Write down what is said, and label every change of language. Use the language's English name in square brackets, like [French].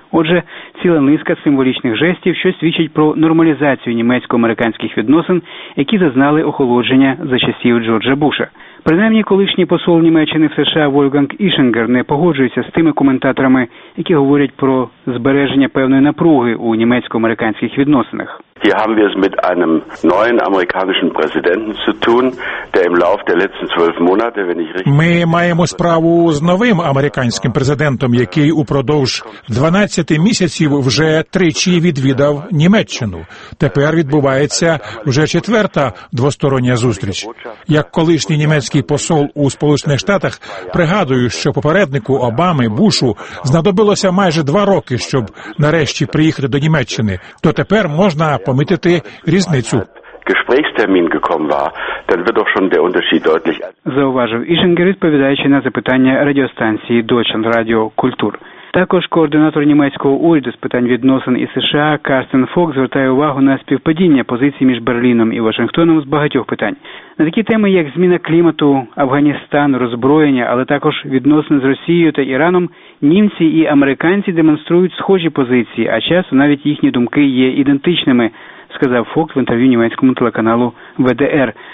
[Ukrainian] Отже, ціла низка символічних жестів, що свідчить про нормалізацію німецько-американських відносин, які зазнали охолодження за часів Джорджа Буша. Принаймні, колишній посол Німеччини в США Вольфганг Ішінгер не погоджується з тими коментаторами, які говорять про збереження певної напруги у німецько-американських відносинах. [German] Hier haben wir es mit einem neuen amerikanischen Präsidenten zu tun, der im Lauf der letzten 12 Monate, wenn ich richtig. [Ukrainian] Ми маємо справу з новим американським президентом, який упродовж 12 місяців вже тричі відвідав Німеччину. Тепер відбувається вже четверта двостороння зустріч. Як колишній німецький посол у Сполучених Штатах, пригадую, що попереднику Обами Бушу знадобилося майже 2 роки, щоб нарешті приїхати до Німеччини. То тепер можна помітити різницю. [German] Gesprächstermin gekommen war, dann wird doch schon der Unterschied deutlich. [Ukrainian] Зауважив Ішінгер, відповідаючи на запитання радіостанції Deutschland Radio Kultur. Також координатор німецького уряду з питань відносин із США Карстен Фок звертає увагу на співпадіння позицій між Берліном і Вашингтоном з багатьох питань. На такі теми, як зміна клімату, Афганістан, роззброєння, але також відносини з Росією та Іраном, німці і американці демонструють схожі позиції, а часто навіть їхні думки є ідентичними, сказав Фок в інтерв'ю німецькому телеканалу ВДР.